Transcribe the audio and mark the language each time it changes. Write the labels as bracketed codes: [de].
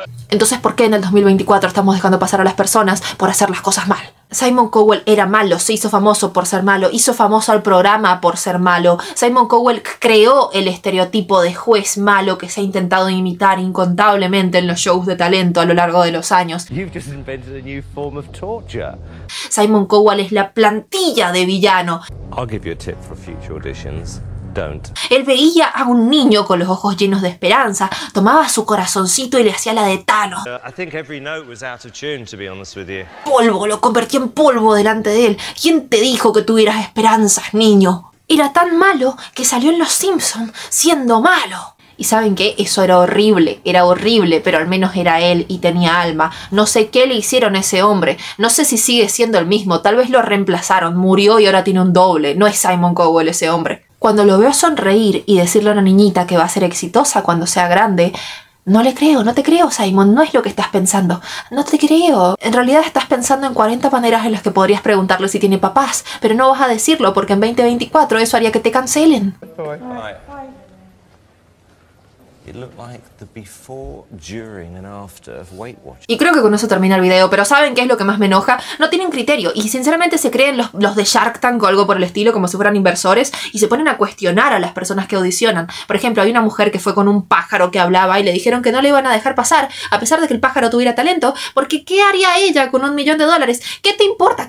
[es] Entonces, ¿por qué en el 2024 estamos dejando pasar a las personas por hacer las cosas mal? Simon Cowell era malo, se hizo famoso por ser malo, hizo famoso al programa por ser malo. Simon Cowell creó el estereotipo de juez malo que se ha intentado imitar incontablemente en los shows de talento a lo largo de los años. [en] You've just invented a new form of torture. [es] Simon Cowell es la plantilla de villano. [en] I'll give you a tip for future auditions. Don't. [es] Él veía a un niño con los ojos llenos de esperanza, tomaba su corazoncito y le hacía la de Thanos. [en] I think every note was out of tune, to be honest with you. [es] Polvo, lo convertía en polvo delante de él. ¿Quién te dijo que tuvieras esperanzas, niño? Era tan malo que salió en Los Simpsons siendo malo. ¿Y saben qué? Eso era horrible, pero al menos era él y tenía alma. No sé qué le hicieron a ese hombre, no sé si sigue siendo el mismo, tal vez lo reemplazaron, murió y ahora tiene un doble, no es Simon Cowell ese hombre. Cuando lo veo sonreír y decirle a una niñita que va a ser exitosa cuando sea grande, no le creo, no te creo, Simon, no es lo que estás pensando, no te creo. En realidad estás pensando en 40 maneras en las que podrías preguntarle si tiene papás, pero no vas a decirlo porque en 2024 eso haría que te cancelen. [en] It looked like the before, during and after of Weight Watchers. [es] Y creo que con eso termina el video, pero ¿saben qué es lo que más me enoja? No tienen criterio y sinceramente se creen los de Shark Tank o algo por el estilo, como si fueran inversores, y se ponen a cuestionar a las personas que audicionan. Por ejemplo, hay una mujer que fue con un pájaro que hablaba y le dijeron que no le iban a dejar pasar a pesar de que el pájaro tuviera talento, porque ¿qué haría ella con $1,000,000? ¿Qué te importa?